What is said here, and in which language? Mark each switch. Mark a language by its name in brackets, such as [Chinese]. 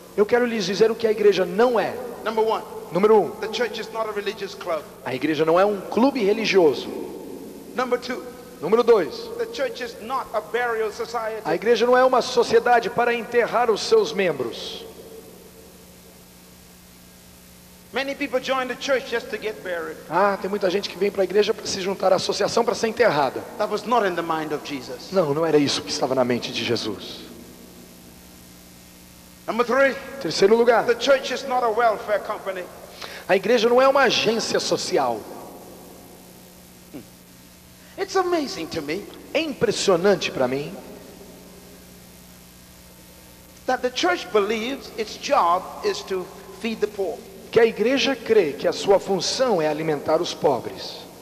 [Portuguese] Eu quero lhes dizer o que a igreja não é. [English] Number one, [Portuguese] número 1. [English] The church is not a religious club. [Portuguese] A igreja não é um clube religioso. [English] Number two, [Portuguese] número 2. [English] The church is not a burial society. [Portuguese] A igreja não é uma sociedade para enterrar os seus membros. [English] Many people join the church just to get buried. [Portuguese] Ah, tem muita gente que vem para a igreja para se juntar à associação para ser enterrada. [English] That was not in the mind of Jesus. [Portuguese] Não, não era isso que estava na mente de Jesus. [English] Number three, [Portuguese] terceiro lugar, [English] the church is not a welfare company. [Portuguese] A igreja não é uma agência social. [English] It's amazing to me, [Portuguese] é impressionante para mim, [English] that the church believes its job is to feed the poor. [Portuguese] Que a igreja crê que a sua função é alimentar os pobres.